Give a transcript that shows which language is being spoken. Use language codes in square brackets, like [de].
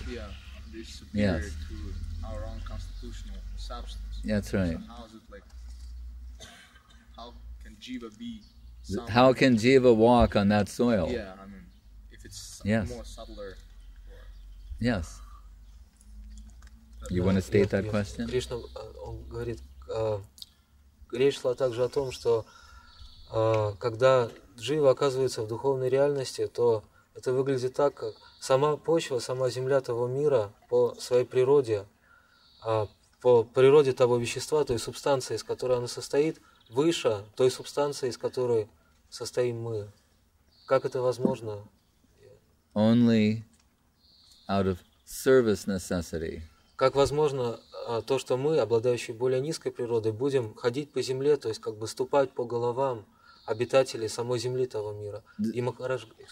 [en] Yeah, this superior to our own constitutional substance. That's right. So how is it like, how can jiva be? How can jiva walk on that soil? Yeah, I mean, if it's more subtler. Yes. You want to state that question? [ru] Кришна, он говорит, речь шла также о том, что когда джива оказывается в духовной реальности, то это выглядит так, как сама почва, сама земля того мира по своей природе, по природе того вещества, той субстанции, из которой она состоит, выше той субстанции, из которой состоим мы. Как это возможно? [en] Only out of service necessity. [ru] Как возможно то, что мы, обладающие более низкой природой, будем ходить по земле, то есть как бы ступать по головам обитателей самой земли того мира? И Махарадж...